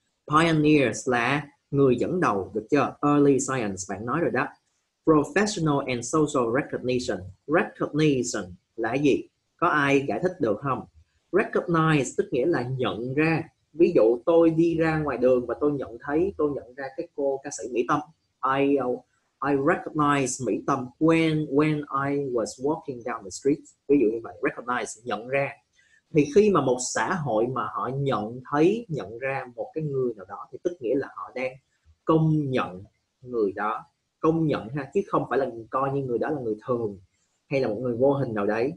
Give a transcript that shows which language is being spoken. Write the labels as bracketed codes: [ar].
[vi] Pioneers là người dẫn đầu, được chưa? Early science bạn nói rồi đó. [en] Professional and social recognition. Recognition [vi] là gì? Có ai giải thích được không? Recognize tức nghĩa là nhận ra. Ví dụ tôi đi ra ngoài đường và tôi nhận ra cái cô ca sĩ Mỹ Tâm. [en] I recognize Mỹ Tâm when I was walking down the street. [vi] Ví dụ như vậy, recognize, nhận ra. Thì khi mà một xã hội mà họ nhận ra một cái người nào đó, thì tức nghĩa là họ đang công nhận người đó. Công nhận ha, chứ không phải là coi như người đó là người thường hay là một người vô hình nào đấy.